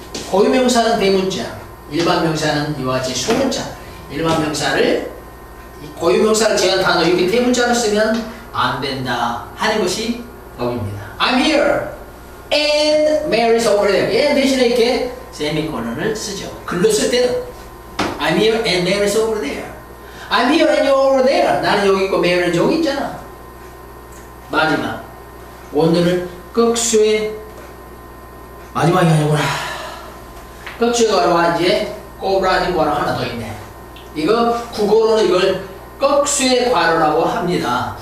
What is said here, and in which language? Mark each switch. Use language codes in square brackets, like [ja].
[ko] 고유명사는 대문자, 일반명사는 이와 같이 소문자. 일반명사를, 고유명사를 제외한 단어 이렇게 대문자로 쓰면 안 된다 하는 것이 법입니다. [en] I'm here and Mary's over there. [ko] 예, 대신에 이렇게 세미콜론을 쓰죠. 글로 쓸 때도 [en] I'm here and Mary's over there. I'm here and you're over there. [ko] 나는 여기 있고 Mary는 저기 있잖아. 마지막 오늘은 극수의 마지막이 아니구나. 극수의 거라 이제 꼬부라진 거라 하나 더 있네. 이거 국어로는 이걸 극수의 괄호라고 합니다.